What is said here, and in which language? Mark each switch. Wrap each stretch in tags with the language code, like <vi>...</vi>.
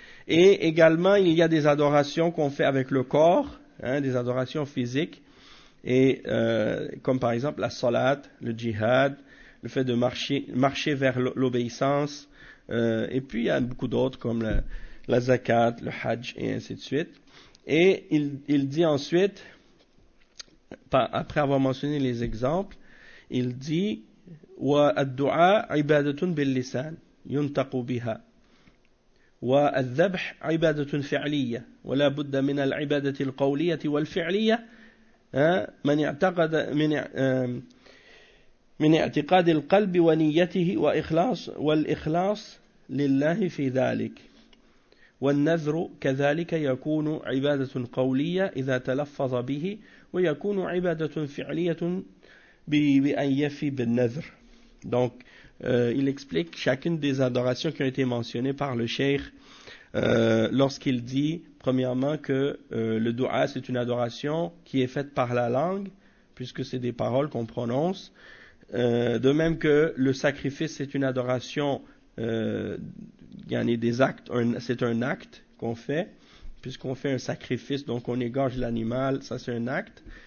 <fr>Et également, il y a des adorations qu'on fait avec le corps, hein, des adorations physiques, et comme par exemple la salat, le djihad, le fait de marcher vers l'obéissance, et puis il y a beaucoup d'autres comme la zakat, le hajj, et ainsi de suite. Et il dit ensuite, après avoir mentionné les exemples, il dit</fr> <ar>« Wa ad-du'a ibadatun bil-lisan yuntaqu biha » والذبح عبادة فعلية ولا بد من العبادة القولية والفعلية من اعتقد من اعتقاد القلب ونيته وإخلاص والإخلاص لله في ذلك والنذر كذلك يكون عبادة قولية إذا تلفظ به ويكون عبادة فعلية بأن يفي بالنذر.</ar> <fr>Donc il explique chacune des adorations qui ont été mentionnées par le cheikh lorsqu'il dit premièrement que le dua c'est une adoration qui est faite par la langue puisque c'est des paroles qu'on prononce, de même que le sacrifice c'est une adoration gagner des actes, c'est un acte qu'on fait puisqu'on fait un sacrifice, donc on égorge l'animal, ça c'est un acte.</fr>